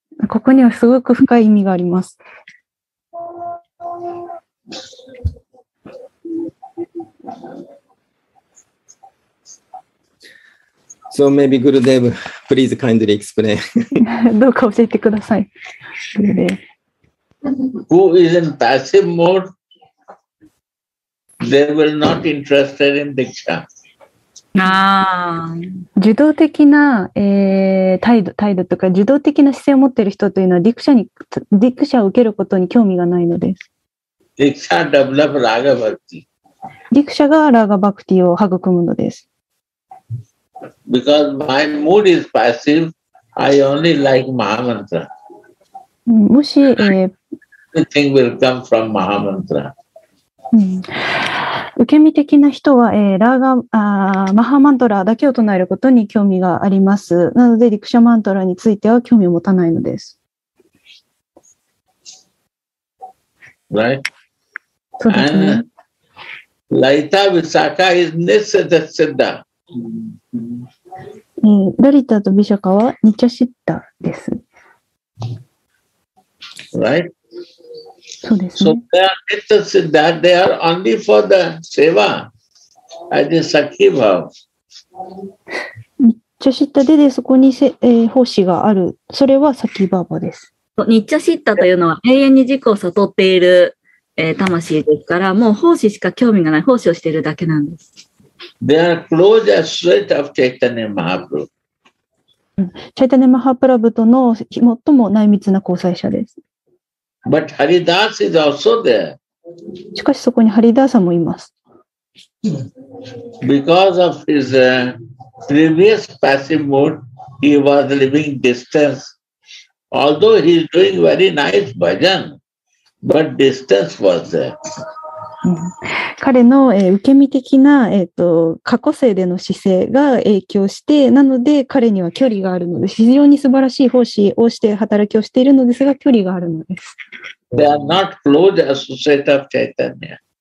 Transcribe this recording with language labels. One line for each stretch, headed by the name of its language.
Japanese: ここにはすごく深い意味があります。
English: So maybe Gurudev, please kindly explain.
Japanese: どうか教えてください。
English: Who is in passive mode, they will not interested in diksha.
Japanese: ああ、受動的な、態度とか受動的な姿勢を持っている人というのはディクシャを受けることに興味がないのです。
English: ディクシャダブラブラガバクティ。
Japanese: ディクシャがラガバクティを育むのです。
English: Because my mood is passive, I only like Mahamantra.
Japanese: もし、
English: Everything will come from Mahamantra.
Japanese: 受け身的な人は、マハマントラだけを唱えることに興味があります。なので、ディクシャマントラについては興味を持たないのです。
English: Right? And, Laita Visakha is Nitya Siddha.
Japanese: ダリタとビシャカはニチャシッダです。
English: Right?
Japanese: そうですね。
English: So they are Nitya Siddha, they are only for the Seva, as the Sakhi Bhav.
Japanese: Nitya Siddha で、そこに奉仕がある。それはサキバーバです。 Nitya Siddha というのは永遠に自己を悟っている、魂ですから、もう奉仕しか興味がない、奉仕をしているだけなんです。
English: They are close associate of Chaitanya Mahaprabhu.
Japanese: Chaitanya Mahaprabhu との最も内密な交際者です。
English: But Haridas is also there.
Japanese: しかしそこにハリダーサもいます。
English: Because of his previous passive mood, he was living distance. Although he is doing very nice bhajan, but distance was there.
Japanese: 彼の受け身的な過去世での姿勢が影響して、なので彼には距離があるので、非常に素晴らしい奉仕をして働きをしているのですが、距離があるのです。
English: They are not close associate of Chaitanya.